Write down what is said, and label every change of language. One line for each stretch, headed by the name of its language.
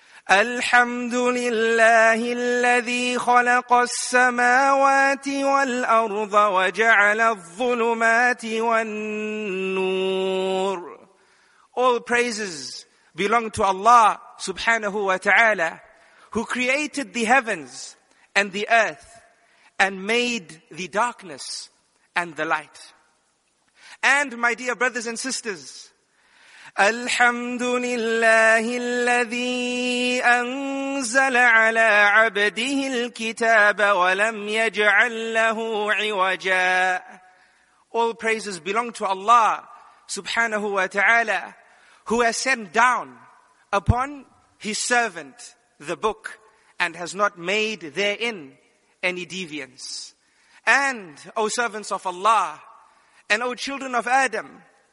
Arabic: الحمد لله الذي خلق السماوات والأرض وجعل الظلمات والنور
English: All praises belong to Allah subhanahu wa ta'ala who created the heavens and the earth and made the darkness and the light. And my dear brothers and sisters,
Arabic: الحمد لله الذي أنزل على عبده الكتاب ولم يجعل له عوجا
English: All praises belong to Allah subhanahu wa ta'ala, who has sent down upon His servant the book and has not made therein any deviance. And, O servants of Allah, and O children of Adam,